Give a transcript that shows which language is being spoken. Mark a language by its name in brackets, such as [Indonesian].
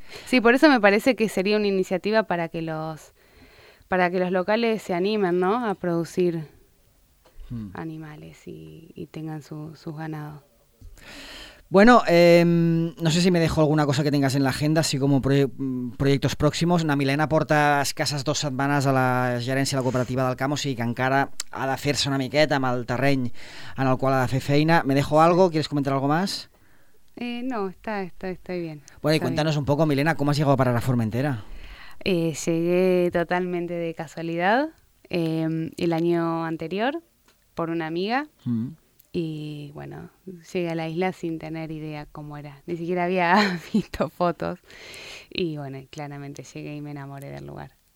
[Spanish] Sí, por eso me parece que sería una iniciativa para que los locales se animen, ¿no? A producir animales y tengan sus ganados. Bueno, no sé si me dejo alguna cosa que tengas en la agenda, así como proyectos próximos. [Catalan] Na Milena porta escasses 2 setmanes a la gerència de la cooperativa del Camp, o sigui que encara ha de fer-se una miqueta amb el terreny en el qual ha de fer feina. [Spanish] ¿Me dejo algo? ¿Quieres comentar algo más? No, está bien, Bueno, y está bien. cuéntanos un poco, Milena, ¿cómo has llegado para la Formentera? Llegué totalmente de casualidad el año anterior por una amiga y bueno, llegué a la isla sin tener idea cómo era, ni siquiera había visto fotos y bueno, claramente llegué y me enamoré del lugar.